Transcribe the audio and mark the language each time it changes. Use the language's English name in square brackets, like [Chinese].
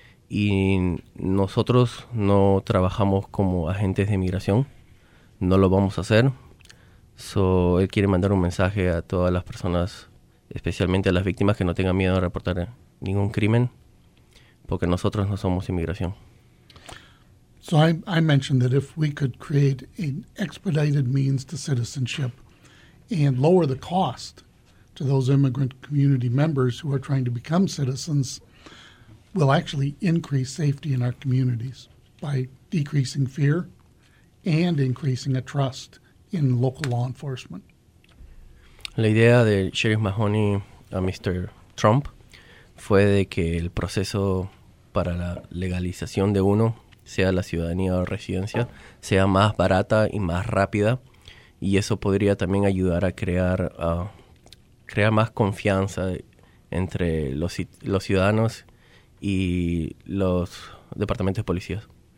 [Spanish] Y nosotros no trabajamos como agentes de migración. No lo vamos a hacer. So, él quiere mandar un mensaje a todas las personas, especialmente a las víctimas, que no tengan miedo a reportar ningún crimen, porque nosotros no somos inmigración. [English] So I mentioned that if we could create an expedited means to citizenship and lower the cost to those immigrant community members who are trying to become citizens, we'll actually increase safety in our communities by decreasing fear and increasing a trust in local law enforcement. [Spanish] La idea de Sheriff Mahoney a Mr. Trump fue de que el proceso para la legalización de uno, sea la ciudadanía o residencia, sea más barata y más rápida, y eso podría también ayudar a crear más confianza entre los ciudadanos y los departamentos de policías.